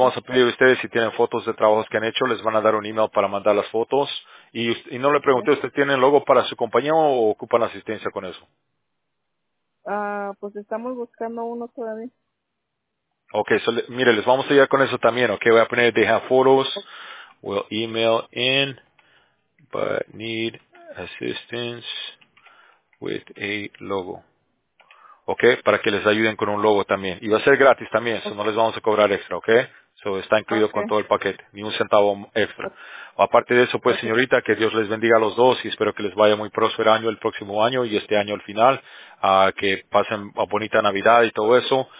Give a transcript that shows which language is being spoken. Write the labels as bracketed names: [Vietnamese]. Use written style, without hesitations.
[Spanish] vamos a pedir a ustedes, si tienen fotos de trabajos que han hecho, les van a dar un email para mandar las fotos. Y no le pregunté, ¿ustedes tienen logo para su compañía o ocupan asistencia con eso? Ah, pues estamos buscando uno todavía. Ok, mire, les vamos a ayudar con eso también, ok. Voy a poner, [English] they have photos. We'll email in, but need assistance with a logo. [Spanish] Ok, para que les ayuden con un logo también. Y va a ser gratis también, eso no les vamos a cobrar extra, ok. Eso está incluido con todo el paquete, ni un centavo extra. Aparte de eso, pues señorita, que Dios les bendiga a los dos y espero que les vaya muy próspero año el próximo año y este año al final, que pasen a bonita Navidad y todo eso.